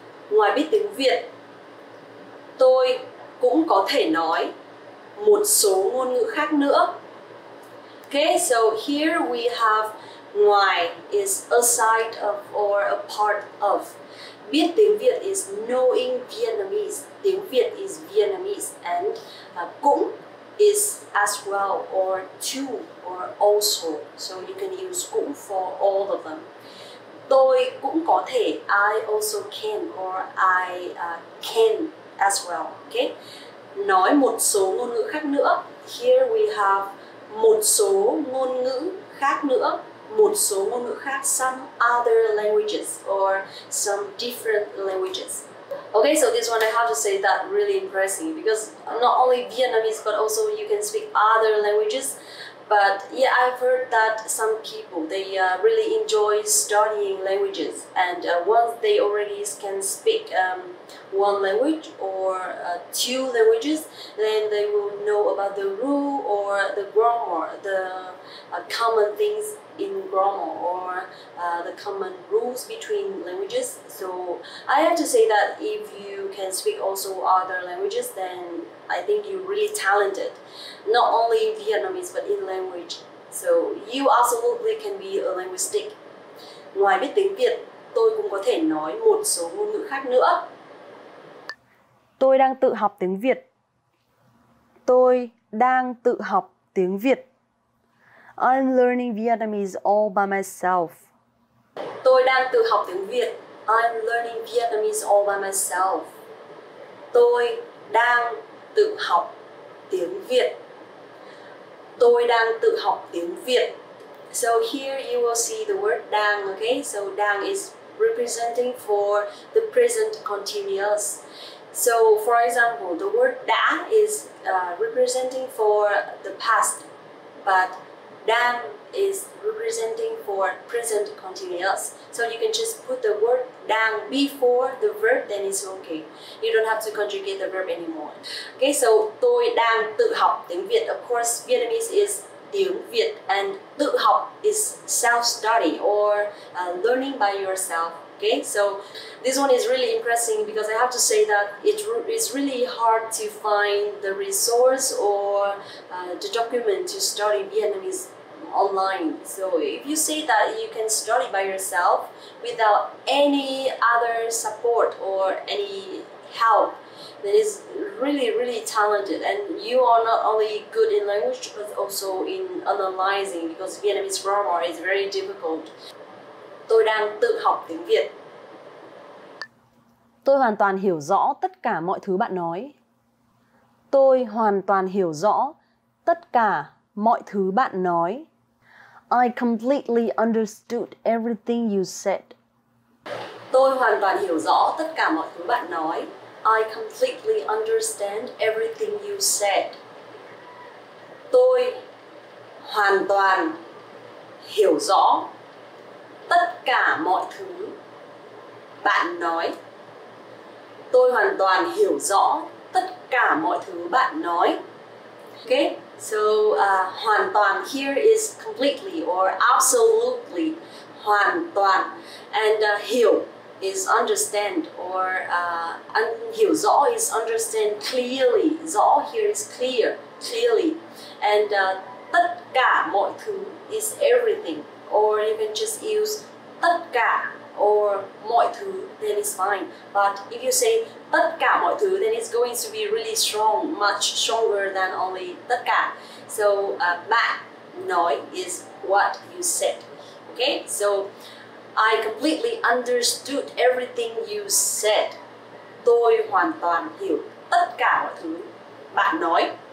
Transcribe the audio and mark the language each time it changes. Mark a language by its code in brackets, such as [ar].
[vi] Ngoài biết tiếng Việt, tôi cũng có thể nói một số ngôn ngữ khác nữa. [en] Okay, so here we have ngoài is aside of or a part of. [vi] Biết tiếng Việt [en] is knowing Vietnamese. Tiếng Việt is Vietnamese. And [vi] cũng [en] is as well or to or also. So you can use cũng for all of them. [vi] Tôi cũng có thể, [en] I also can, or I can as well. [vi] Okay, nói một số ngôn ngữ khác nữa. [en] Here we have [vi] một số ngôn ngữ khác nữa, một số ngôn ngữ khác, [en] some other languages or some different languages. Okay, so this one I have to say that really impressing, because not only Vietnamese but also you can speak other languages, But yeah, I've heard that some people, they really enjoy studying languages. And once they already can speak one language or two languages, then they will know about the rule or the grammar, the common things in grammar or the common rules between languages. So I have to say that if you can speak also other languages, then I think you're really talented, not only in Vietnamese but in language. So you absolutely can be a linguistic. [vi] Ngoài biết tiếng Việt, tôi cũng có thể nói một số ngôn ngữ khác nữa. Tôi đang tự học tiếng Việt. Tôi đang tự học tiếng Việt. [en] I'm learning Vietnamese all by myself. [vi] Tôi đang tự học tiếng Việt. [en] I'm learning Vietnamese all by myself. [vi] Tôi đang tự học tiếng Việt. Tôi đang tự học tiếng Việt. [en] So here you will see the word đang, okay? So đang is representing for the present continuous. So for example, the word đã is representing for the past, but đang is representing for present continuous. So you can just put the word đang before the verb, then it's okay. You don't have to conjugate the verb anymore. Okay, so [vi] tôi đang tự học tiếng Việt. [en] Of course, Vietnamese is tiếng Việt, and tự học is self-study or learning by yourself. Okay, so this one is really interesting because I have to say that it's really hard to find the resource or the document to study Vietnamese online. So if you say that you can study by yourself without any other support or any help, then it's really, really talented. And you are not only good in language, but also in analyzing, because Vietnamese grammar is very difficult. [vi] Tôi đang tự học tiếng Việt. Tôi hoàn toàn hiểu rõ tất cả mọi thứ bạn nói. Tôi hoàn toàn hiểu rõ tất cả mọi thứ bạn nói. [en] I completely understood everything you said. [vi] Tôi hoàn toàn hiểu rõ tất cả mọi thứ bạn nói. [en] I completely understand everything you said. [vi] Tôi hoàn toàn hiểu rõ tất cả mọi thứ bạn nói. Tôi hoàn toàn hiểu rõ tất cả mọi thứ bạn nói. [en] Okay, so hoàn toàn here is completely or absolutely. Hoàn toàn. And hiểu is understand or [vi] hiểu rõ [en] is understand clearly. Rõ here is clear, clearly. And [vi] tất cả mọi thứ [en] is everything. Or you can just use tất cả or mọi thứ, then it's fine. But if you say [vi] tất cả mọi thứ, [en] then it's going to be really strong, much stronger than only tất cả. So [vi] bạn nói [en] is what you said. Okay, so I completely understood everything you said. [vi] Tôi hoàn toàn hiểu tất cả mọi thứ bạn nói.